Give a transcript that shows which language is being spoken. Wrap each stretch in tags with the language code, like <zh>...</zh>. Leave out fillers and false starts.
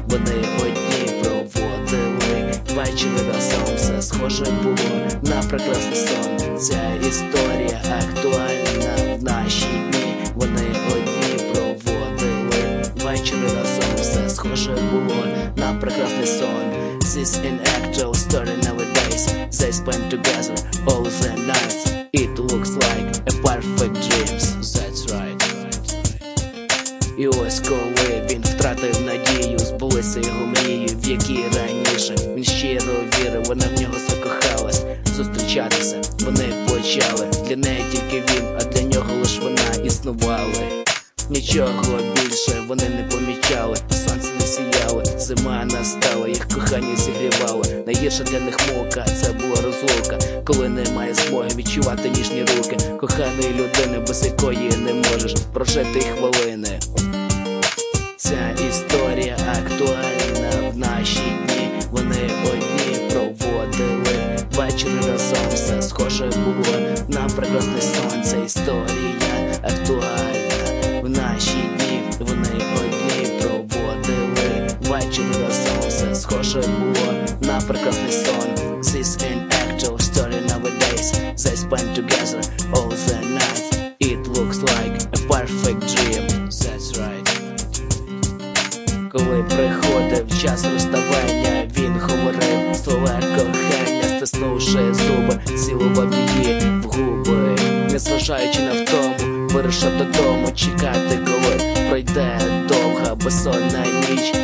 <uk>Вони одні проводили вечір разом. Все схоже було на прекрасний сон. Ця історія актуальна в наші дні. Вони одні проводили вечір разом. Все схоже було на прекрасний сон.</uk> <en>This is an actual story nowadays. They spend together all the nights. It looks like a perfect dream. That's right.</en> <uk>І ось коли він втратив надію, збулися його мрії, в які раніше він щиро вірив, вона в нього закохалась. Зустрічатися вони почали, для неї тільки він, а для нього лиш вона існували. Нічого більше вони не помічали, сонце не сіяло, зима настала, їх кохання зігрівало. Найгірше для них мука, це була розлука, коли немає змоги відчувати ніжні руки коханої людини, без якої не можеш прожити хвилини. Ця історія актуальна в наші дні. Вони одні проводили вечір разом. Все схоже було на прекрасне сонце. Історія актуальна в наші дні. Вони одні проводили вечір разом. Все схоже було на прекрасне сонце.</uk> <en>This is an actual story nowadays. They spend together all the nights. It looks like a perfect dream. That's right.</en> <uk>Коли приходив час розставання, він говорив слова кохання, стиснувши зуби, цілував її в губи. Незважаючи на втому, вирішив додому чекати, коли пройде довга безсонна ніч.</uk>